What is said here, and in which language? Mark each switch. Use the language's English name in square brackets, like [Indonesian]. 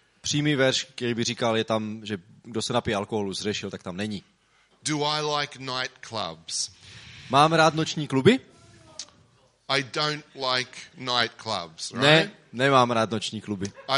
[Czech] Přímý verš, který by říkal, je tam, že kdo se napije alkoholu, zřešil, tak tam není. [English] Do I like nightclubs? [Czech] Mám rád noční kluby? [English] I don't like nightclubs, right? [Czech] Ne, nemám rád noční kluby.